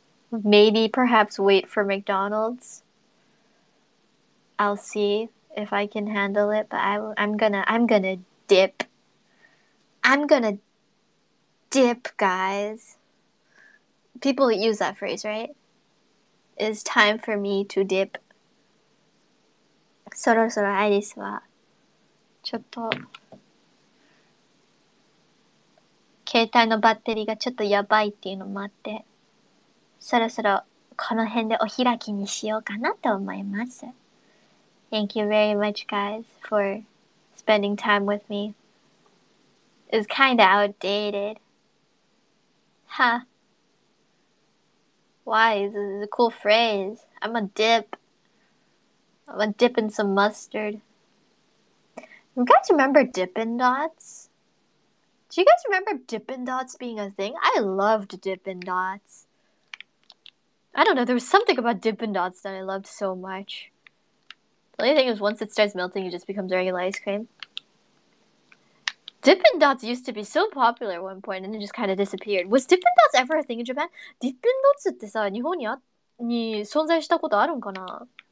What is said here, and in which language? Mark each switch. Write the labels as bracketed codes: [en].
[en] Maybe perhaps wait for McDonald's. I'll see if I can handle it, but I'm gonna dip. I'm gonna dip, guys. People use that phrase, right? It's time for me to dip. [ja] そろそろアイリスはちょっと携帯のバッテリーがちょっとやばいっていうのもあってそろそろこの辺でお開きにしようかなと思います。 [en] Thank you very much guys for spending time with me. It's kind of outdated. Huh. Why? This is a cool phrase. I'm a dip. I'm a dip in some mustard. You guys remember Dippin' Dots? Do you guys remember Dippin' Dots being a thing? I loved Dippin' Dots. I don't know, there was something about Dippin' Dots that I loved so much. The only thing is once it starts melting, it just becomes regular ice cream. Dippin' Dots used to be so popular at one point, and it just kind of disappeared. Was Dippin' Dots ever a thing in Japan? [ja] Dippin' Dots ってさ、日本に存在したことあるんかな?